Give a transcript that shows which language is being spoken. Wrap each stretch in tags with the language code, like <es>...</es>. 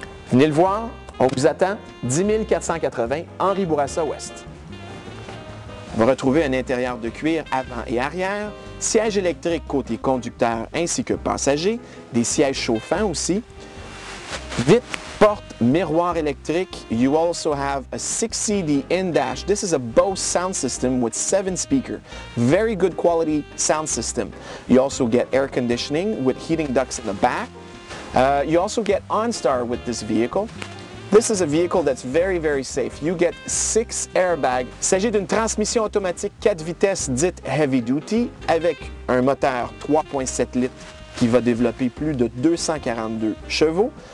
<fr>Venez le voir, on vous attend, 10480 Henri Bourassa Ouest. Vous retrouvez un intérieur de cuir avant et arrière, siège électrique côté conducteur ainsi que passager, des sièges chauffants aussi, vitre, porte, miroir électrique.</fr> <en>You also have a 6CD in-dash. This is a Bose sound system with 7 speakers. Very good quality sound system. You also get air conditioning with heating ducts in the back. You also get OnStar with this vehicle. This is a vehicle that's very, very safe. You get 6 airbags.</en> <fr>Il s'agit d'une transmission automatique 4 vitesses dite heavy duty avec un moteur 3,7 litres qui va développer plus de 242 chevaux.</fr>